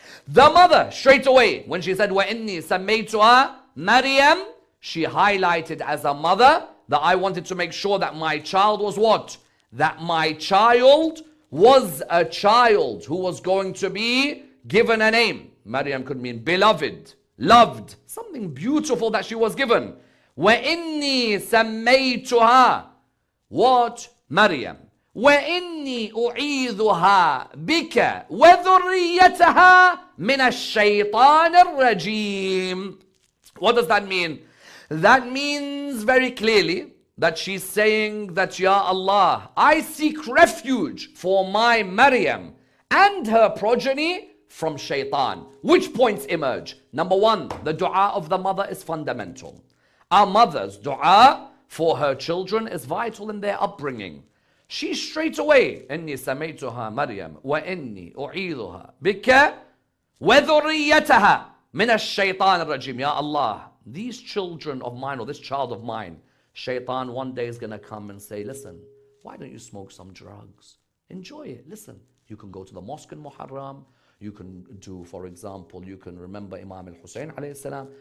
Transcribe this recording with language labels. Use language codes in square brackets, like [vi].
[en] The mother, straight away, when she said, [ar] وَإِنِّي سَمَّيْتُهَا مَرْيَمْ, [en] she highlighted as a mother that I wanted to make sure that my child was what? That my child was a child who was going to be given a name. Maryam could mean beloved, loved, something beautiful that she was given. [ar] وَإِنِّي سَمَّيْتُهَا [en] what? [ar] Maryam. وَإِنِّي أُعِيذُهَا بِكَ وَذُرِّيَّتَهَا مِنَ الشَّيْطَانِ الرَّجِيمِ. [en] What does that mean? That means very clearly that she's saying that, Ya Allah, I seek refuge for my Maryam and her progeny from shaitan. Which points emerge? Number one, the dua of the mother is fundamental. A mother's dua for her children is vital in their upbringing. She straight away, [ar] إِنِّي سَمَيْتُهَا مَرْيَمْ وَإِنِّي أُعِيذُهَا بِكَ وَذُرِّيَّتَهَا مِنَ الشَّيْطَانِ الرَّجِيمِ. [en] Ya Allah, these children of mine, or this child of mine, shaitan one day is going to come and say, listen, why don't you smoke some drugs? Enjoy it. Listen, you can go to the mosque in Muharram. You can do, for example, you can remember Imam al-Hussein alayhi salam.